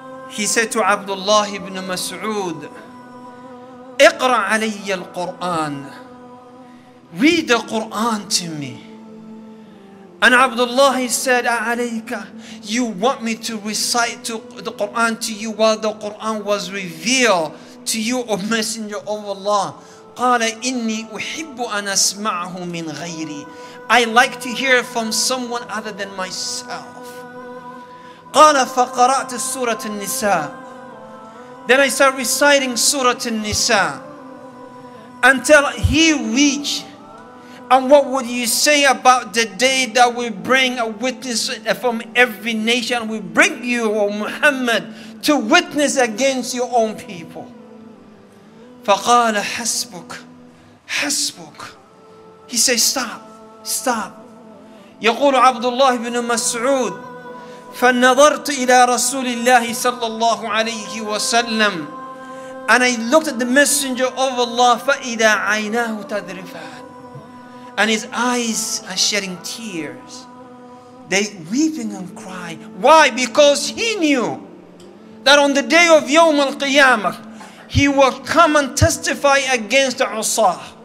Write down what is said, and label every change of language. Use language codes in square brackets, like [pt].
[en] He said to Abdullah ibn Mas'ud, [ar] اقرأ علي القرآن. [en] Read the Quran to me. And Abdullah, he said, عليك, you want me to recite to the Quran to you while the Quran was revealed to you, O Messenger of Allah. [ar] قال إني أحب أن أسمعه من غيري. [en] I like to hear it from someone other than myself. [ar] قال فقرأت سورة النساء. [en] Then I start reciting Surah An-Nisa until he reached. And what would you say about the day that we bring a witness from every nation? We bring you, O Muhammad, to witness against your own people. [ar] فَقَالَ حَسْبُكَ حَسْبُكَ. [en] He says, stop, stop. [ar] يَقُولُ عَبْدُ اللَّهِ بْنُ مَسْعُودٍ فنظرت إلى رسول الله صلى الله عليه وسلم. [en] And I looked at the Messenger of Allah. [ar] فإذا عيناه تذرفان. [en] And his eyes are shedding tears. They weeping and crying. Why? Because he knew that on the day of [ar] يوم القيامة, [en] he will come and testify against the Usah.